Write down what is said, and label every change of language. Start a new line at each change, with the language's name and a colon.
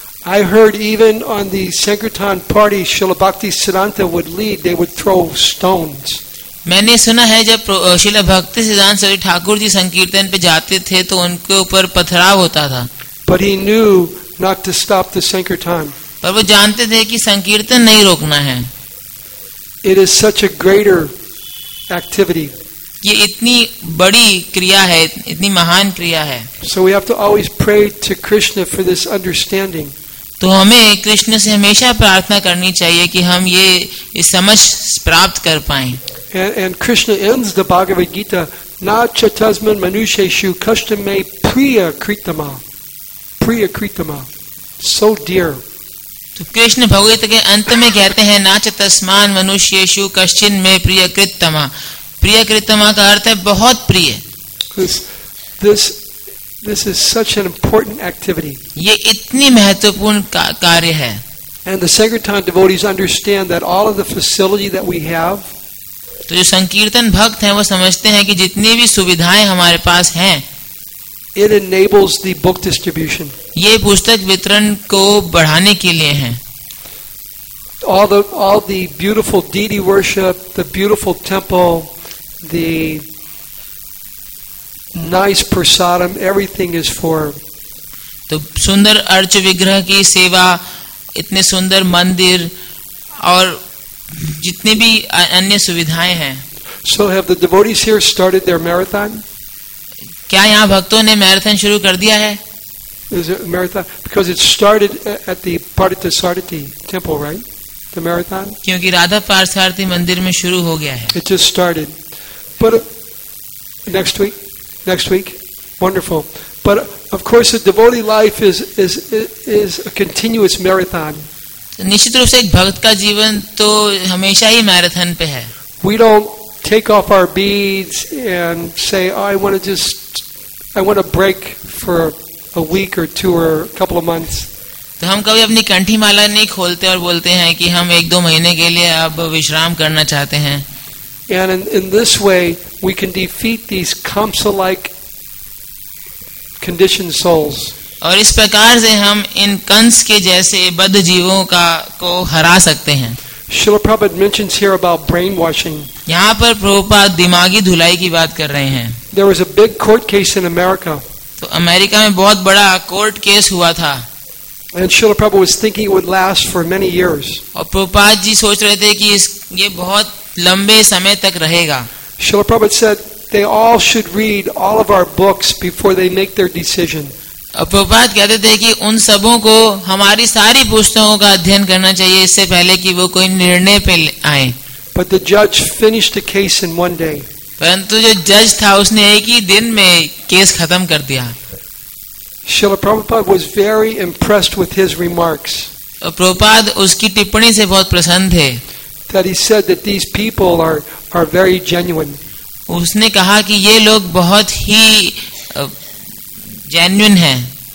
English: I heard even on the sankirtan party, Srila Bhakti Siddhanta would lead, they would throw stones.
Hindi: मैंने सुना है जब श्रीला भक्ति सिद्धांत सभी ठाकुर जी संकीर्तन पे जाते थे तो उनके ऊपर पथराव होता था।
English: But he knew not to stop the sankirtan.
Hindi: पर वो जानते थे कि संकीर्तन नहीं रोकना है।
English: It is such a greater activity.
Hindi: ये इतनी बड़ी क्रिया है, इतनी महान क्रिया है।
English: So we have to always pray to Krishna for this understanding.
Hindi: तो हमें कृष्ण से हमेशा प्रार्थना करनी चाहिए कि हम ये इस समझ प्राप्त कर पाएं।
English: And Krishna ends the Bhagavad Gita,
Sanskrit: Na chatasman manusheshu kashtame priya kritama.
English: Priya kritama. So dear.
Hindi: तो कृष्ण भगवत के अंत में कहते हैं,
Sanskrit: ना चतस्मान मनुष्येषु कश्चिन मे प्रिय कृत्तमा।
Hindi: प्रिय कृत्तमा का अर्थ है बहुत प्रिय।
English: This is such an important activity.
Hindi: ये इतनी महत्वपूर्ण कार्य है।
English: And the sankirtan devotees understand that all of the facility that we have.
Hindi: तो जो संकीर्तन भक्त हैं वो समझते हैं कि जितनी भी सुविधाएं हमारे पास हैं,
English: It enables the book distribution.
Hindi: ये पुस्तक वितरण को बढ़ाने के लिए हैं।
English: All the beautiful deity worship, the beautiful temple, the nice prasadam, everything is for.
Hindi: तो सुंदर अर्च विग्रह की सेवा इतने सुंदर मंदिर और जितने भी अन्य सुविधाएं हैं.
English: So have the devotees here started their marathon?
Hindi: क्या यहाँ भक्तों ने मैराथन शुरू कर दिया है?
English: Is it a marathon? Because it started at the Parthasarathi temple, right? The marathon?
Hindi: क्योंकि राधा पार्थसारथी मंदिर में शुरू हो गया है.
English: It just started. But next week, wonderful. But of course, a devotee life is a continuous marathon.
Hindi: निश्चित रूप से एक भक्त का जीवन तो हमेशा ही मैराथन पे है.
English: We don't take off our beads and say, oh, I want to break for a week or two or a couple of months.
Hindi: तो हम कभी अपनी कंठी माला नहीं खोलते और बोलते हैं कि हम एक दो महीने के लिए अब विश्राम करना चाहते हैं.
English: And in this way, we can defeat these kamsa-like conditioned souls.
Hindi: और इस प्रकार से हम इन कंस के जैसे बद्ध जीवों का को हरा सकते हैं.
English: Srila Prabhupada mentions here about brainwashing.
Hindi: यहाँ पर प्रभुपाद दिमागी धुलाई की बात कर रहे हैं.
English: There was a big court case in America.
Hindi: तो अमेरिका में बहुत बड़ा कोर्ट केस हुआ था.
English: And Srila Prabhupada was thinking it would last for many years.
Hindi: और प्रभुपाद जी सोच रहे थे कि ये बहुत लंबे समय तक रहेगा.
English: Srila Prabhupada said they all should read all of our books before they make their decision.
Hindi: Prabhupada कहते थे कि उन सबों को हमारी सारी पुस्तकों का अध्ययन करना चाहिए इससे पहले कि वो कोई निर्णय पे आए.
English: But the judge finished the case in one day.
Hindi: परंतु जो जज था उसने एक ही दिन में केस खत्म कर दिया.
English: Srila Prabhupada was very impressed with his remarks.
Hindi: Prabhupada उसकी टिप्पणी से बहुत प्रसन्न थे.
English: That he said that these people are very genuine.
Hindi: उसने कहा कि ये लोग बहुत ही जेन्युइन हैं.